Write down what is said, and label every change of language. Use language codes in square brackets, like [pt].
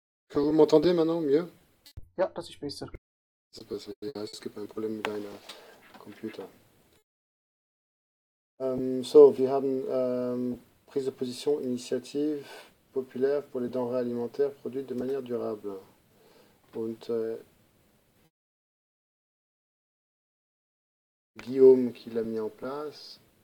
[fr] Vous m'entendez maintenant mieux? [de] Ja, das ist besser. Es gibt ein Problem mit deinem Computer. So, wir haben [fr] prise de position, initiative populaire pour les denrées alimentaires produites de manière durable. Und Guillaume qui l'a mis en place.